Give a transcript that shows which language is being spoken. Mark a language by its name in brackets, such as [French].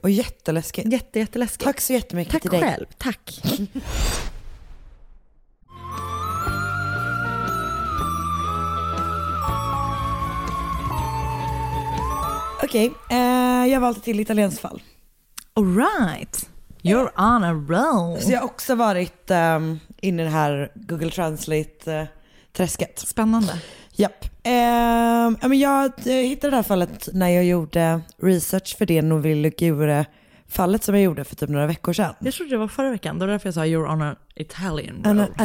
[Swedish] Och jätteläskigt. Jätteläskigt. Tack så jättemycket. Tack till dig. Tack själv. Tack. Okej, jag valde till italiensk fall. [English] All right, you're on a roll. [Swedish] Så jag har också varit inne i det här Google Translate-träsket. Spännande. Japp. Jag hittade det här fallet när jag gjorde research för det Novilligure-fallet som jag gjorde för typ några veckor sedan. Jag trodde det var förra veckan, då var det därför jag sa [English] you're on an Italian roll.